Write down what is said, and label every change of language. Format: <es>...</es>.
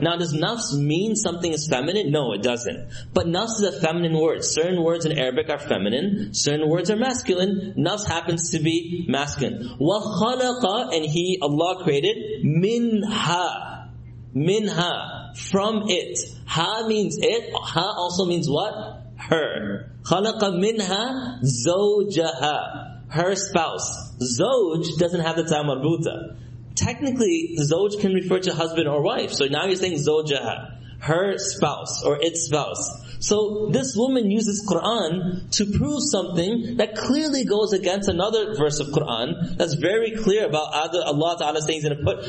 <en>Now, does nafs mean something is feminine? No, it doesn't. But nafs is a feminine word. Certain words in Arabic are feminine. Certain words are masculine. Nafs happens to be masculine.</en> <ar>وَخَلَقَ</ar> <en>and He, Allah created,</en> <ar>مِنْهَا مِنْهَا</ar> <en>from it. Ha means it. Ha also means what? Her.</en> <ar>خَلَقَ مِنْهَا زَوْجَهَا</ar> <en>her spouse. Zawj doesn't have the ta marbuta. Technically, zawj can refer to husband or wife. So now you're saying zawjaha, her spouse or its spouse. So this woman uses Quran to prove something that clearly goes against another verse of Quran that's very clear about Allah Ta'ala saying he's going to put.</en>